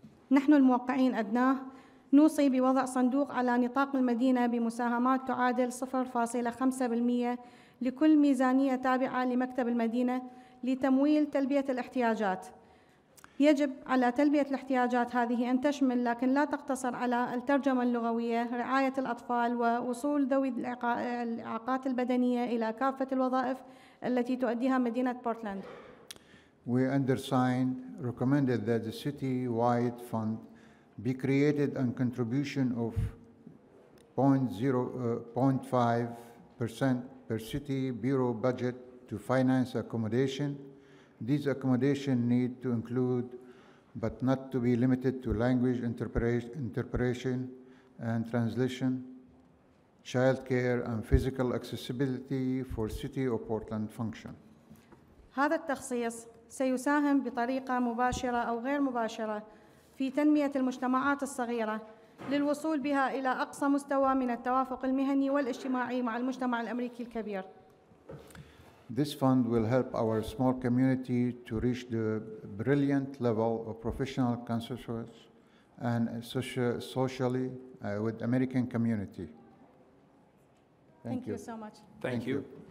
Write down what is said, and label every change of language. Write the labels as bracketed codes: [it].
[ar] نحن الموقعين أدناه نوصي بوضع صندوق على نطاق المدينة بمساهمات تعادل 0.5% لكل ميزانية تابعة لمكتب المدينة لتمويل تلبية الاحتياجات. يجب على تلبية الاحتياجات هذه أن تشمل لكن لا تقتصر على الترجمة اللغوية، رعاية الأطفال ووصول ذوي الإعاقات البدنية إلى كافة الوظائف التي تؤديها مدينة بورتلاند. [en] We undersigned recommended that the city-wide fund be created and contribution of 0.5% per city bureau budget to finance accommodation. This accommodation need to include, but not to be limited to language interpretation and translation, childcare and physical accessibility for City of Portland function. [ar] هذا التخصيص سيساهم بطريقة مباشرة أو غير مباشرة في تنمية المجتمعات الصغيرة للوصول بها إلى أقصى مستوى من التوافق المهني والاجتماعي مع المجتمع الأمريكي الكبير. [en] This fund will help our small community to reach the brilliant level of professional consensus and socially with American community. Thank you so much. Thank you.